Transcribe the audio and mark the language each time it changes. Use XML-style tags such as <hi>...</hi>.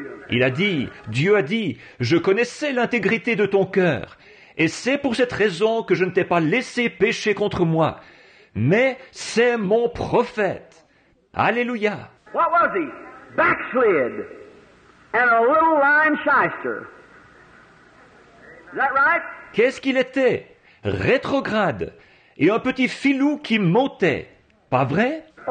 <fr>Il a dit, Dieu a dit, je connaissais l'intégrité de ton cœur, et c'est pour cette raison que je ne t'ai pas laissé pécher contre moi, mais c'est mon prophète. Alléluia.</fr> <en>What was he? Backslid and a little lying shyster. Is that right?</en> <fr>Qu'est-ce qu'il était? Rétrograde et un petit filou qui montait. Pas vrai?</fr>